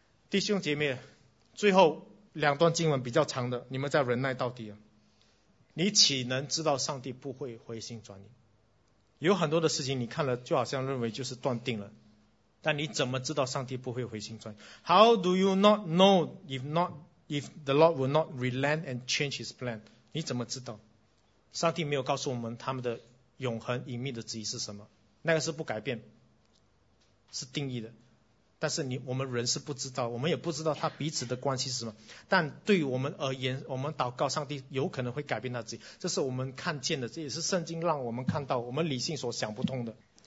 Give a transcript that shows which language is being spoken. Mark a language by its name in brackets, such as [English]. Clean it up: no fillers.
[Chinese] 弟兄姐妹，最后两段经文比较长的，你们再忍耐到底啊。你岂能知道上帝不会回心转意？有很多的事情你看了就好像认为就是断定了，但你怎么知道上帝不会回心转意？ [English] How do you not know if the Lord will not relent and change his plan? [Chinese] 你怎么知道？上帝没有告诉我们他们的永恒隐秘的旨意是什么，那个是不改变，是定义的。但是你我们人是不知道，我们也不知道他彼此的关系是什么。但对于我们而言，我们祷告上帝有可能会改变他自己，这是我们看见的，这也是圣经让我们看到我们理性所想不通的。